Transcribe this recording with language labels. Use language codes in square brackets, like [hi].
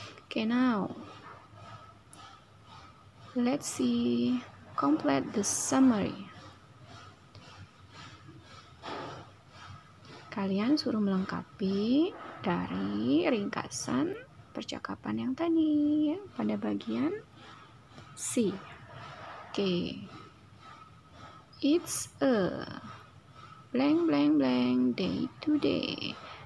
[en] Okay, now let's see complete the summary. [id] Kalian suruh melengkapi dari ringkasan percakapan yang tadi ya, pada bagian C. [en] Okay. It's a blank blank blank day today.